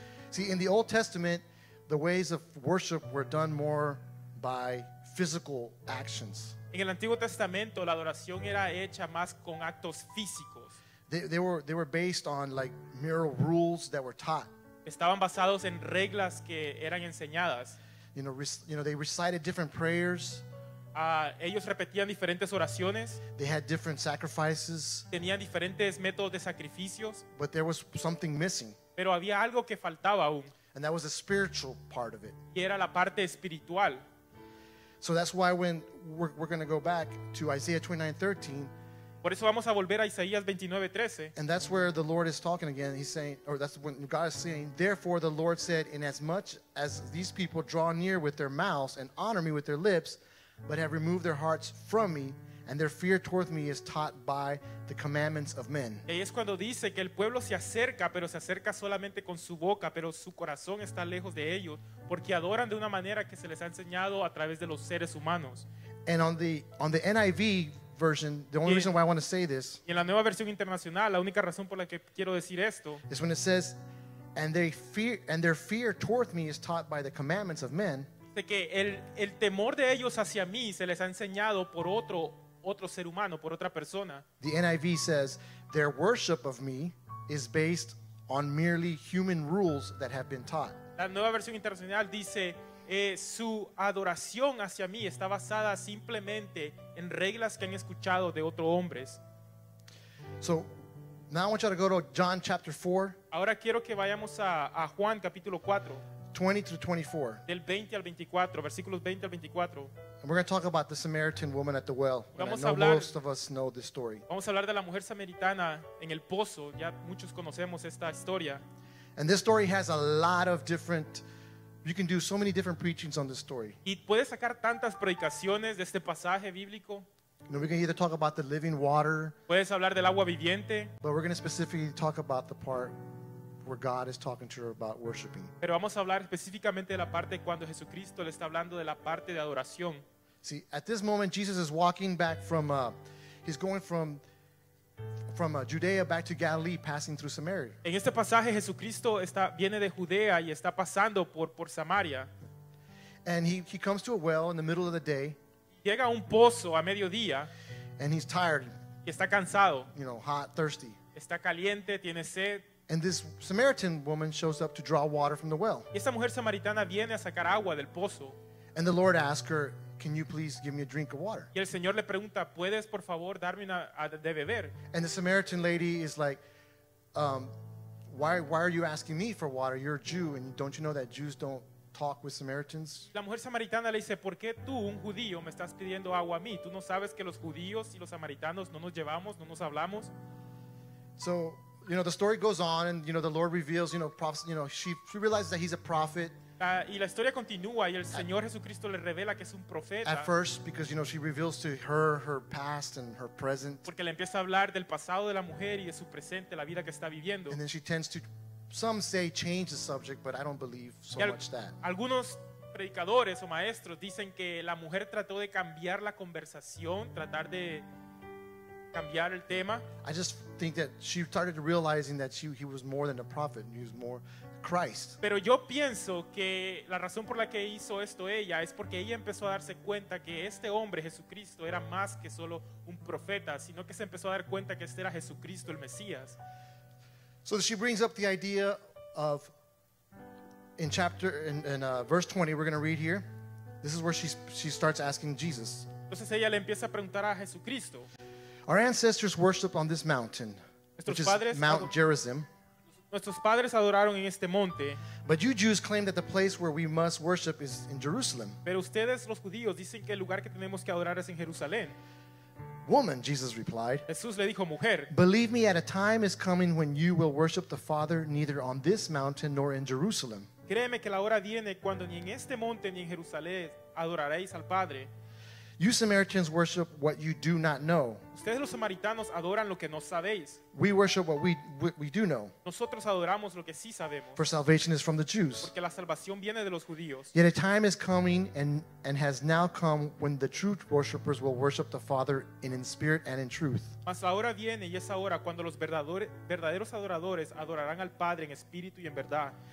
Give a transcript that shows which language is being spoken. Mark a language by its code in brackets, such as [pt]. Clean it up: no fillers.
[en] See, in the Old Testament, the ways of worship were done more by physical actions. [es] En el Antiguo Testamento, la adoración era hecha más con actos físicos. [en] They were based on like mere rules that were taught. [es] Estaban basados en reglas que eran enseñadas. [en] You know, they recited different prayers. [es] Ellos repetían diferentes oraciones. [en] They had different sacrifices. [es] Tenían diferentes métodos de sacrificios. [en] But there was something missing. [es] Pero había algo que faltaba aún. [en] And that was the spiritual part of it. [es] Y era la parte espiritual. [en] So that's why when we're going to go back to Isaiah 29:13. [es] Por eso vamos a volver a Isaías 29:13. [en] And that's where the Lord is talking again. He's saying, or that's when God is saying, therefore the Lord said, inasmuch as these people draw near with their mouths and honor me with their lips, but have removed their hearts from me, and their fear toward me is taught by the commandments of men. [es] Y es cuando dice que el pueblo se acerca, pero se acerca solamente con su boca, pero su corazón está lejos de ellos, porque adoran de una manera que se les ha enseñado a través de los seres humanos. [en] And on the NIV version, the only reason why I want to say this, [es] y en la nueva versión internacional, la única razón por la que quiero decir esto, [en] is when it says, and their fear toward me is taught by the commandments of men. [es] De que el temor de ellos hacia mí se les ha enseñado por otro ser humano, por otra persona. [en] The NIV says their worship of me is based on merely human rules that have been taught. [es] La nueva versión internacional dice, su adoración hacia mí está basada simplemente en reglas que han escuchado de otros hombres. [en] So Now I want you to go to John chapter 4. [es] Ahora quiero que vayamos a Juan capítulo 4. [en] 20 to 24. [es] Del 20 al 24, versículos 20 al 24. [en] And we're going to talk about the Samaritan woman at the well. Most of us know this story. [es] Vamos a hablar de la mujer samaritana en el pozo. Ya muchos conocemos esta historia. [en] And this story has a lot of different. You can do so many different preachings on this story. [es] Y puedes sacar tantas predicaciones de este pasaje bíblico. [en] You know, we can either talk about the living water. [es] Puedes hablar del agua viviente. [en] But we're going to specifically talk about the part where God is talking to her about worshiping. [es] Pero vamos a hablar específicamente de la parte cuando Jesucristo le está hablando de la parte de adoración. [en] See, at this moment Jesus is walking back from he's going from Judea back to Galilee, passing through Samaria. [es] En este pasaje Jesucristo está viene de Judea y está pasando por Samaria. [en] And he comes to a well in the middle of the day. [es] Llega a un pozo a mediodía. [en] And he's tired. [es] Y está cansado. [en] You know, hot, thirsty. [es] Está caliente, tiene sed. [en] And this Samaritan woman shows up to draw water from the well. [es] Y esta mujer samaritana viene a sacar agua del pozo. [en] And the Lord asks her, "Can you please give me a drink of water?" [es] Y el Señor le pregunta, "¿Puedes por favor darme una de beber?" [en] And the Samaritan lady is like, "Why are you asking me for water? You're a Jew, and don't you know that Jews don't talk with Samaritans?" [es] La mujer samaritana le dice, "¿Por qué tú, un judío, me estás pidiendo agua a mí? ¿Tú no sabes que los judíos y los samaritanos no nos llevamos, no nos hablamos?" [en] So, you know, the story goes on, and you know, the Lord reveals, you know, prophets, you know, she realizes that he's a prophet. [es] Y la historia continúa y el Señor Jesucristo le revela que es un profeta. [en] At first, because you know, she reveals to her her past and her present. [es] Porque le empieza a hablar del pasado de la mujer y de su presente, la vida que está viviendo. [en] And then she tends to, some say, change the subject, but I don't believe so much that. [es] Algunos predicadores o maestros dicen que la mujer trató de cambiar la conversación, tratar de cambiar el tema. [en] I just think that she started realizing that he was more than a prophet, and he was more Christ. [es] Pero yo pienso que la razón por la que hizo esto ella es porque ella empezó a darse cuenta que este hombre Jesucristo era más que solo un profeta, sino que se empezó a dar cuenta que este era Jesucristo el Mesías. [en] So she brings up the idea of verse 20 we're going to read here. This is where she starts asking Jesus. [es] Entonces ella le empieza a preguntar a Jesucristo. [en] Our ancestors worshiped on this mountain, Mount Gerizim. [es] Nuestros padres adoraron en este monte. [en] But you Jews claim that the place where we must worship is in Jerusalem. [es] Pero ustedes, los judíos, dicen que el lugar que tenemos que adorar es en Jerusalén. [en] Woman, Jesus replied. [es] Jesús le dijo, mujer. [en] Believe me, at a time is coming when you will worship the Father neither on this mountain nor in Jerusalem. [es] Créeme que la hora viene cuando ni en este monte ni en Jerusalén adoraréis al Padre. [en] You Samaritans worship what you do not know. [es] Ustedes los samaritanos adoran lo que no sabéis. [en] We worship what we do know. [es] Nosotros adoramos lo que sí sabemos. [en] For salvation is from the Jews. [es] Porque la salvación viene de los judíos. [en] Yet a time is coming and has now come when the true worshipers will worship the Father in spirit and in truth. [es] Mas ahora viene y es ahora cuando los verdaderos adoradores adorarán al Padre en espíritu y en verdad.